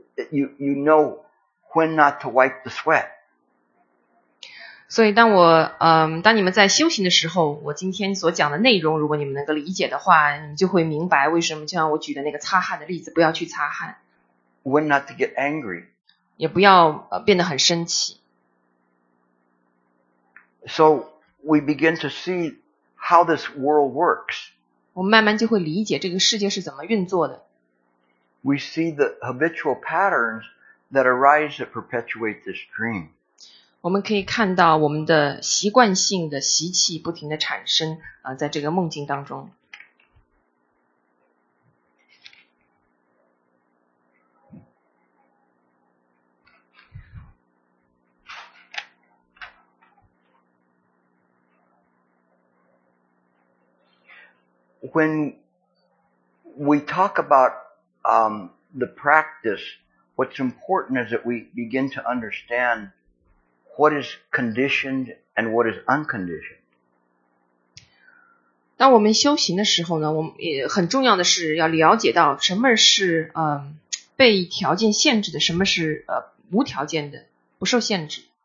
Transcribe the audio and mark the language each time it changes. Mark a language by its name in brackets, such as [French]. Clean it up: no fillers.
[English] You know when not to wipe the sweat. [Chinese] 所以当我当你们在修行的时候，我今天所讲的内容，如果你们能够理解的话，你们就会明白为什么就像我举的那个擦汗的例子，不要去擦汗。 [English] When not to get angry. [Chinese] 也不要变得很生气。 [English] So we begin to see how this world works. [Chinese] 我慢慢就会理解这个世界是怎么运作的。 [English] We see the habitual patterns that arise that perpetuate this dream. [Chinese] 我们可以看到我们的习惯性的习气不停的产生啊，在这个梦境当中。 [English] When we talk about the practice, what's important is that we begin to understand. What is conditioned and what is unconditioned? [Chinese] 当我们修行的时候呢，我们也很重要的是要了解到什么是被条件限制的，什么是无条件的，不受限制。